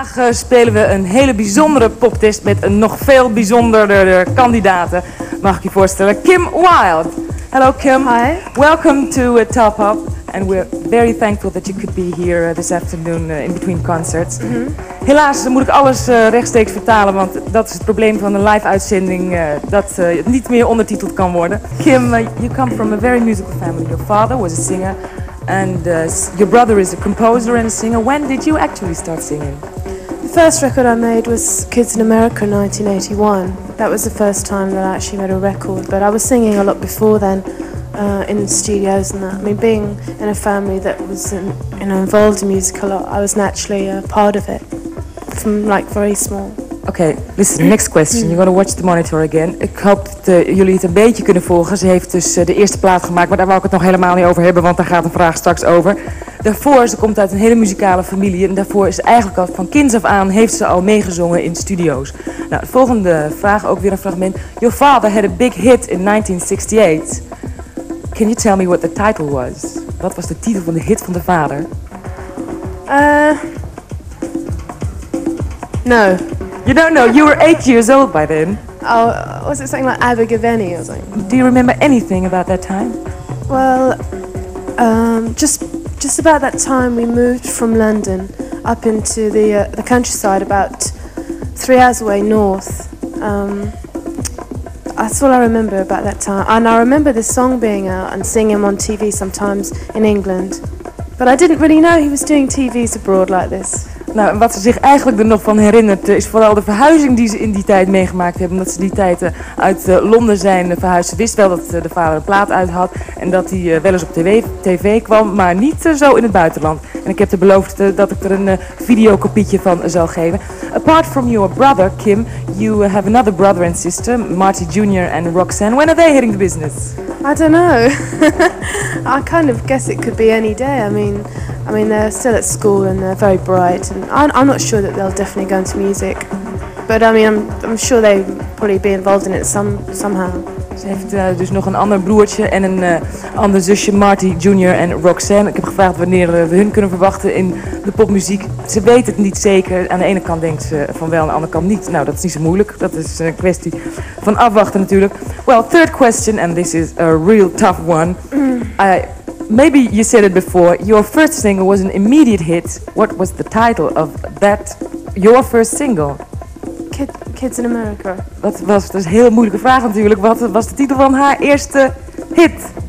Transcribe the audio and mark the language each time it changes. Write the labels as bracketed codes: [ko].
[nl] Spelen we een hele bijzondere poptest met een nog veel bijzonderder kandidaten. Mag ik je voorstellen, Kim Wilde. [en] Hello Kim. Hi. Welcome to Top Up. And we're very thankful that you could be here this afternoon in between concerts. Mm-hmm. [nl] Helaas moet ik alles rechtstreeks vertalen, want dat is het probleem van een live uitzending. Dat niet meer ondertiteld kan worden. [en] Kim, you come from a very musical family. Your father was a singer and your brother is a composer and a singer. When did you actually start singing? The first record I made was Kids in America in 1981. That was the first time that I actually made a record, but I was singing a lot before then in studios and that. I mean, being in a family that was involved in music a lot, I was naturally a part of it from like very small. Okay, listen, next question. You're going to watch the monitor again. [nl] Ik hoop dat jullie het een beetje kunnen volgen. Ze heeft dus de eerste plaat gemaakt, maar daar wou ik het nog helemaal niet over hebben, want daar gaat een vraag straks over. Daarvoor, ze komt uit een hele muzikale familie en daarvoor is eigenlijk al van kinds af aan heeft ze al meegezongen in studio's. Nou, de volgende vraag, ook weer een fragment. [en] Your father had a big hit in 1968. Can you tell me what the title was? [nl] Wat was de titel van de hit van de vader? [en] No. You don't know, you were 8 years old by then. Oh, was it something like Abba Giveni or something? Do you remember anything about that time? Well, just about that time we moved from London up into the countryside about 3 hours away north. That's all I remember about that time. And I remember this song being out and seeing him on TV sometimes in England. But I didn't really know he was doing TVs abroad like this. [nl] Nou, wat ze zich eigenlijk er nog van herinnert is vooral de verhuizing die ze in die tijd meegemaakt hebben. Omdat ze die tijd uit Londen zijn verhuisd. Ze wist wel dat de vader een plaat uit had en dat hij wel eens op tv kwam, maar niet zo in het buitenland. En ik heb er beloofd dat ik er een videokopietje van zal geven. [en] Apart from your brother, Kim, you have another brother and sister, Marty Jr. and Roxanne. When are they hitting the business? I don't know. I kind of guess it could be any day. I mean, they're still at school and they're very bright. And I'm not sure that they'll definitely go into music. But I mean, I'm sure they'll probably be involved in it somehow. [nl] Ze heeft dus nog een ander broertje en een ander zusje, Marty Jr. en Roxanne. Ik heb gevraagd wanneer we hun kunnen verwachten in de popmuziek. Ze weet het niet zeker. Aan de ene kant denkt ze van wel, aan de andere kant niet. Nou, dat is niet zo moeilijk. Dat is een kwestie van afwachten natuurlijk. [en] Well, third question, and this is a real tough one. Maybe you said it before, your first single was an immediate hit. What was the title of that, your first single? Kids in America. [nl] Dat is een heel moeilijke vraag natuurlijk. Wat was de titel van haar eerste hit?